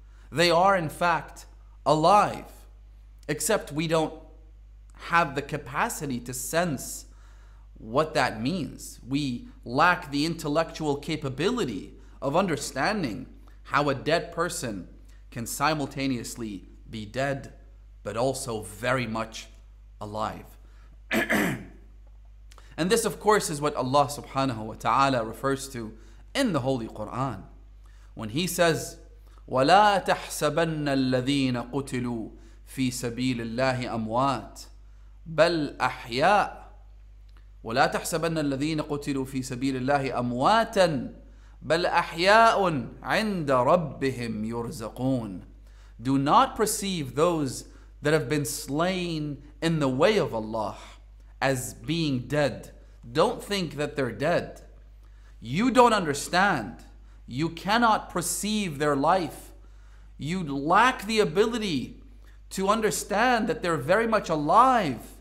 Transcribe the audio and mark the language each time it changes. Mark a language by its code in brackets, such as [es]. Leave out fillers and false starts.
[en] They are in fact alive, except we don't have the capacity to sense what that means. We lack the intellectual capability of understanding how a dead person can simultaneously be dead but also very much alive. And this, of course, is what Allah subhanahu wa ta'ala refers to in the Holy Quran when he says, [ar] وَلَا تَحْسَبَنَّ الَّذِينَ قُتِلُوا فِي سَبِيلِ اللَّهِ أَمْوَاتٍ بَلْ أَحْيَاءٍ وَلَا تَحْسَبَنَّ الَّذِينَ قُتِلُوا فِي سَبِيلِ اللَّهِ أَمْوَاتًا بَلْ أَحْيَاءٌ عِنْدَ رَبِّهِمْ يُرْزَقُونَ. [en] Do not perceive those that have been slain in the way of Allah as being dead. Don't think that they're dead. You don't understand. You cannot perceive their life. You lack the ability to understand that they're very much alive.